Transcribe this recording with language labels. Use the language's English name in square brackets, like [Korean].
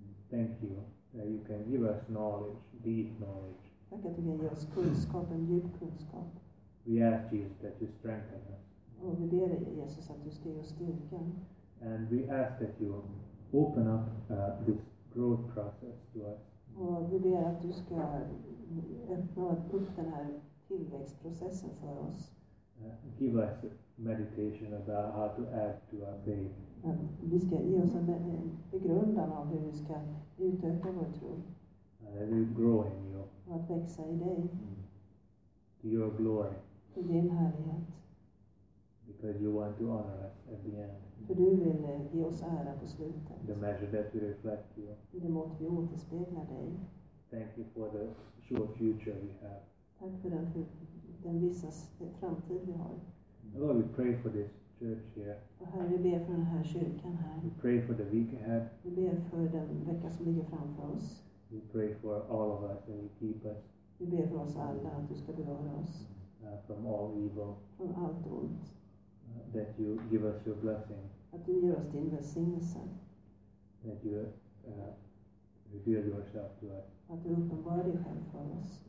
[English] Thank you that you can give us knowledge, deep knowledge. [Swedish] Tack att du kan ge oss kunskap, en djup kunskap. [English] We ask Jesus that you strengthen us. [Swedish] Och vi ber dig, Jesus, att du ska ge oss styrkan. [English] And we ask that you open up this growth process to us. [Swedish] Och vi ber att du ska öppna upp den här tillväxtprocessen för oss. [English] Give us meditation about how to add to our faith. [Swedish] Vi ska ge oss en begrundan av hur vi ska utöka vår tro. [English] That we grow in you. [Swedish] Och att växa i dig. [English] To your glory. [Swedish] Till din härlighet. [English] Because you want to honor us at the end. [Swedish] För du vill ge oss ära på slutet. [English] The measure that we reflect you. [Swedish] I det mått vi återspeglar dig. [English] Thank you for the sure future we have. [Swedish] Tack för den vissa framtid vi har. [English] Lord, we pray for this church here. [Swedish] Och Herre, vi ber för den här kyrkan här. [English] We pray for the week ahead. [Swedish] Vi ber för den vecka som ligger framför oss. [English] We pray for all of us and you keep us. [Swedish] Vi ber för oss alla att du ska bevara oss. [English] From all evil. [Swedish] Från allt ont. [English] That you give us your blessing. [Swedish] Att du ger oss din välsignelse. [English] That you reveal yourself to us. [Swedish] Att du uppenbarar dig själv för oss.